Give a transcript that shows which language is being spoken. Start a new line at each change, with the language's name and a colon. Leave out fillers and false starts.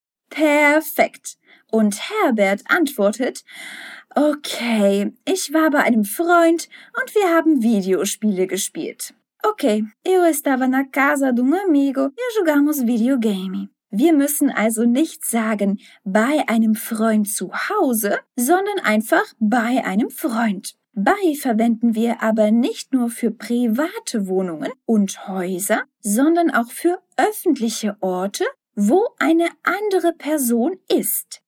German: Perfekt. Und Herbert antwortet, okay, ich war bei einem Freund und wir haben Videospiele gespielt.
Portuguese: Okay, eu estava na casa de um amigo e jogamos videogame.
German: Wir müssen also nicht sagen, bei einem Freund zu Hause, sondern einfach bei einem Freund. Bei verwenden wir aber nicht nur für private Wohnungen und Häuser, sondern auch für öffentliche Orte, wo eine andere Person ist.